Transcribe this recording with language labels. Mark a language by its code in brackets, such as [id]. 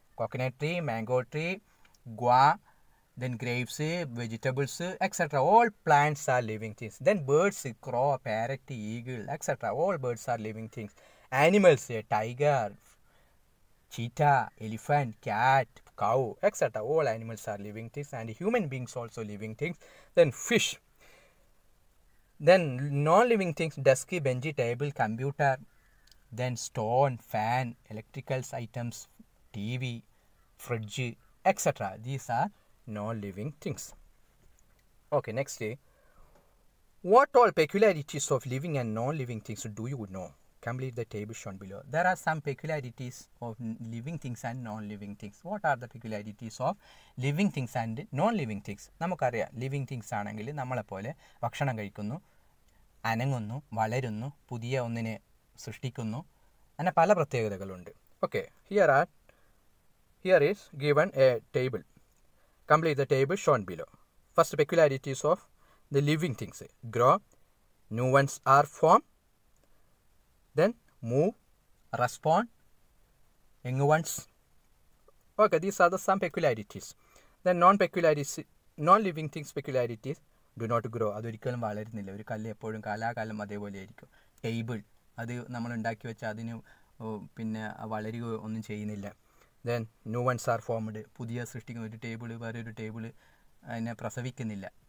[en] Coconut tree, mango tree, guava, then grapes, vegetables etcetera, all plants are living things. Then birds, crow, parrot, eagle etcetera, all birds are living things. Animals, tiger, cheetah, elephant, cat, cow, etc. All animals are living things and human beings also living things. Then fish. Then non-living things, desk, bench, table, computer. Then stone, fan, electrical items, TV, fridge, etc. These are non-living things. Okay, next day. What all peculiarities of living and non-living things do you know? Complete the table shown below. There are some peculiarities of living things and non-living things. What are the peculiarities of living things and non-living things? [ml] നമുക്കറിയാം living things ആണെങ്കിൽ നമ്മളെപ്പോലെ ഭക്ഷണം കഴിക്കുന്നു, അനങ്ങുന്നു, വളരുന്നു, പുതിയ ഒന്നിനെ സൃഷ്ടിക്കുന്നു, അങ്ങനെ പല പ്രത്യേകതകളുണ്ട്. [en] Okay, here is given a table. Complete the table shown below. First peculiarities of the living things. Grow, new ones are form. Then move, respond, young ones. Okay, these are the some peculiarities. Then non-peculiarities, non-living things peculiarities do not grow. [ml] അത് ഒരിക്കലും വളരുന്നില്ല. ഒരു കല്ല് എപ്പോഴും കാലാകാലം അതേപോലെ ആയിരിക്കും. Table, അത് നമ്മൾ ഉണ്ടാക്കി വെച്ചാൽ അതിന് പിന്നെ വളരുകയോ ഒന്നും ചെയ്യുന്നില്ല. [en] then new ones are formed, [ml] പുതിയ സൃഷ്ടിക്കുന്ന ഒരു ടേബിൾ വേറൊരു ടേബിൾ അതിനെ പ്രസവിക്കുന്നില്ല.